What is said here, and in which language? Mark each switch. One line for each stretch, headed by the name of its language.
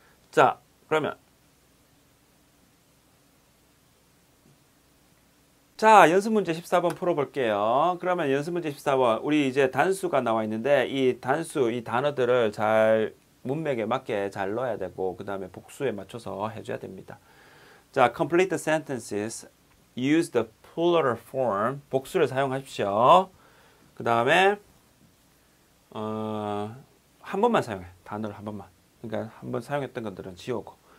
Korean: 자, 그러면 자, 연습문제 14번 풀어볼게요. 그러면 연습문제 14번, 우리 이제 단수가 나와 있는데 이 단수, 이 단어들을 잘 문맥에 맞게 잘 넣어야 되고 그 다음에 복수에 맞춰서 해줘야 됩니다.
English: 자, complete the sentences. Use the plural form.
Korean: 복수를 사용하십시오. 그 다음에 한 번만 사용해. 단어를 한 번만. 그러니까 한번 사용했던 것들은 지우고.